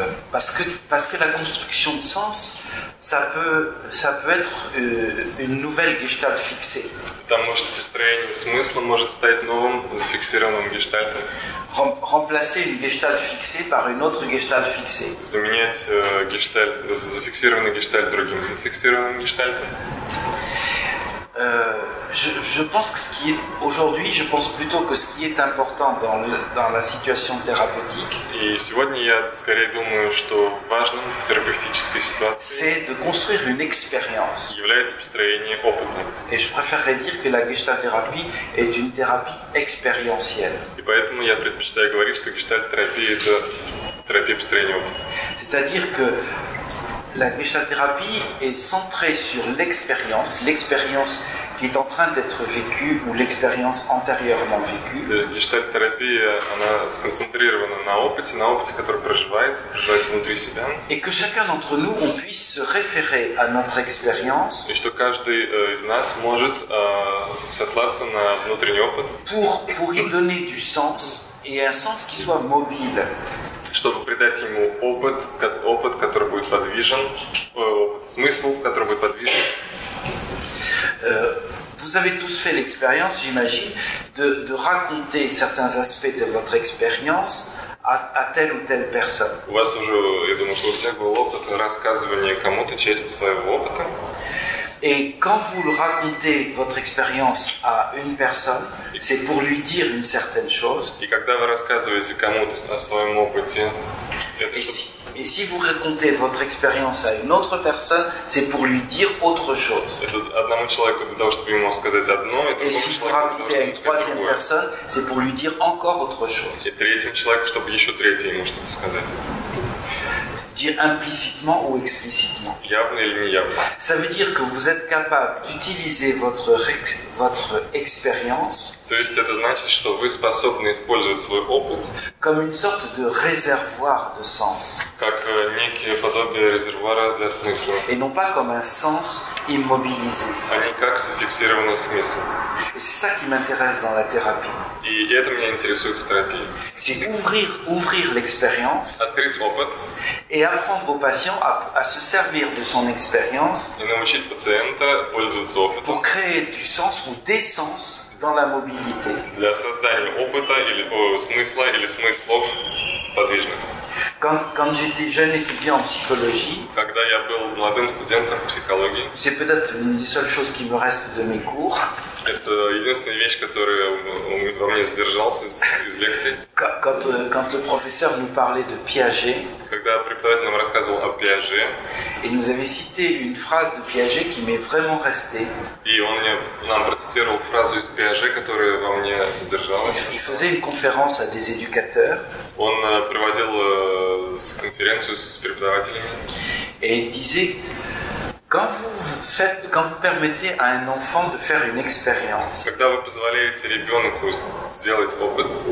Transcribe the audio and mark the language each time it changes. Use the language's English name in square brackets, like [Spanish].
[French] Parce que la construction de sens, ça peut être une nouvelle gestalt fixée. [Russian] Потому что построение смысла может стать новым зафиксированным гештальтом. [French] Remplacer une gestalt fixée par une autre gestalt fixée. [Russian] Заменять гештальт, зафиксированный гештальт другим зафиксированным гештальтом. [French] Je pense que ce qui est aujourd'hui, je pense plutôt que ce qui est important dans la situation thérapeutique. [Russian] И сегодня я скорее думаю, что важным в терапевтической ситуации. [French] C'est de construire une expérience. [Russian] Является построение опыта. [French] Et je préférerais dire que la gestalt-thérapie est une thérapie expérientielle. [Russian] И поэтому я предпочитаю говорить, что гештальт-терапия это терапия построения опыта. [French] C'est-à-dire que la gestalt-thérapie est centrée sur l'expérience qui est en train d'être vécue ou l'expérience antérieurement vécue. [Russian] То есть гештальт-терапия, она сконцентрирована на опыте, который проживается внутри себя. [French] Et que chacun d'entre nous on puisse se référer à notre expérience. [Russian] И что каждый из нас может сослаться на внутренний опыт. [French] Pour y donner du sens et un sens qui soit mobile. [Russian] Чтобы придать ему опыт, который будет подвижен, смысл, который будет подвижен. [French] Vous avez tous fait l'expérience, j'imagine, de raconter certains aspects de votre expérience à telle ou telle personne. [Russian] У вас уже, я думаю, что у всех был опыт рассказывания кому-то части своего опыта. [French] Et quand vous le racontez votre expérience à une personne, c'est pour lui dire une certaine chose. [Russian] И когда вы рассказываете кому-то о своем опыте, это что? [French] Et si vous racontez votre expérience à une autre personne, c'est pour lui dire autre chose. [Russian] Это одному человеку для того, чтобы ему сказать одно, это другому человеку. [French] Et si vous racontez à une troisième personne, c'est pour lui dire encore autre chose. [Russian] И третьему человеку, чтобы еще третье ему что-то сказать. [French] Dire implicitement ou explicitement. [Russian] Явно или неявно. [French] Ça veut dire que vous êtes capable d'utiliser votre expérience. [Russian] То есть это значит, что вы способны использовать свой опыт. [French] Comme une sorte de réservoir de sens. [Russian] Как некое подобие резервуара для смысла. [French] Et non pas comme un sens immobilisé. [Russian] А не как зафиксированный смысл. [French] Et c'est ça qui m'intéresse dans la thérapie. [Russian] И это меня интересует в терапии. [French] C'est ouvrir l'expérience. [Russian] Открыть опыт. [French] Et apprendre au patient à se servir de son expérience. [Russian] И научить пациента пользоваться опытом. [French] Pour créer du sens ou des sens dans la mobilité. [Russian] Для создания опыта или смысла или смыслов подвижных. [French] Quand j'étais jeune étudiant en psychologie. [Russian] Когда я был молодым студентом психологии. [French] C'est peut-être une des seules choses qui me reste de mes cours. [Russian] Это единственная вещь, которая во мне задержалась из лекций. [French] Quand le professeur nous parlait de Piaget. [Russian] Когда преподаватель нам рассказывал о Пиаже. [French] Et nous avait cité une phrase de Piaget qui m'est vraiment restée. [Russian] И он нам процитировал фразу из Пиаже, которая во мне задержалась. [French] Il faisait une conférence à des éducateurs. [Russian] Он проводил конференцию с преподавателями. [French] Et il disait: quand vous permettez à un enfant de faire une expérience, [Russian] когда вы позволяете ребенку сделать опыт,